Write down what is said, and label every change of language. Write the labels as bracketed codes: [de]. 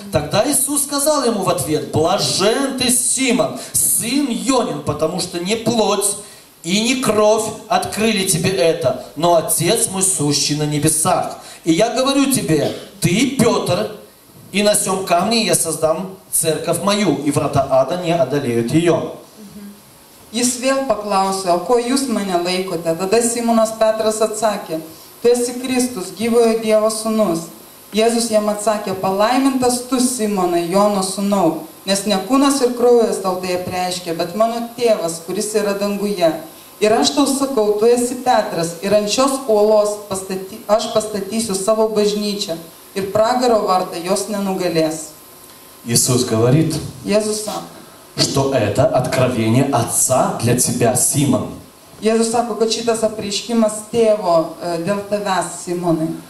[ru] Тогда Иисус сказал ему в ответ, «Блажен ты, Симон, сын Йонин, потому что не плоть и не кровь открыли тебе это, но Отец мой сущий на небесах. И я говорю тебе, ты Петр, и на сём камне я создам церковь мою, и врата ада не одолеют ее». [lt] Jis vėl paklausė, o ko jūs mane laikote? Tada Simonas Petras atsakė, tu esi Kristus, gyvojo Dievo sūnus. Jėzus jam atsakė, palaimintas tu, Simonai, Jono sūnau, nes ne kūnas ir kraujas tau tai apreiškė, bet mano tėvas, kuris yra danguje. Ir aš tau sakau, tu esi Petras, ir ant šios uolos aš pastatysiu savo bažnyčią, ir pragaro vartai jos nenugalės. [ru] Jėzus говорит, [lt] Jėzus sako, [ru] что это откровение Отца для тебя, Симон. [lt] Jėzus sako, kad šitas apreiškimas tėvo dėl tavęs, Simonai.